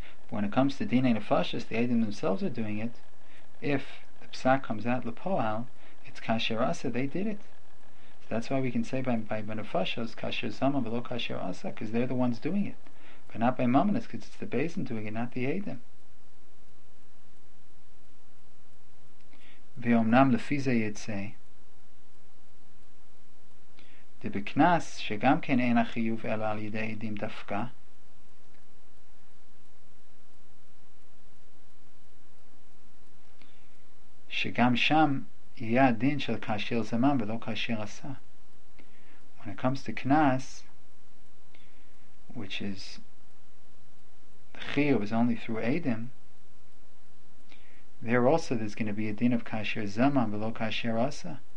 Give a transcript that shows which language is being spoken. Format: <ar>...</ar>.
<en>When it comes to דיני נפשס, the Edim themselves are doing it. If the psak comes out לפועל, it's כאשר עשה, they did it. So that's why we can say by נפשס,</en> <he>כאשר זמה ולא כאשר עשה,</he> <en>because they're the ones doing it. But not by Mamanis, because it's the Bezen doing it, not the Edim.</en> <he>ואומנם לפי זה יצא, דבקנס שגם כן אין החיוב אלא על ידי עדים דווקא. שגם שם יהיה הדין של כאשר זמן ולא כאשר עשה.</he> <en>When it comes to knas, which is the chiyuv is only through edim, there also there's going to be a din of kasher zaman</en> <he>ולא כאשר עשה.</he>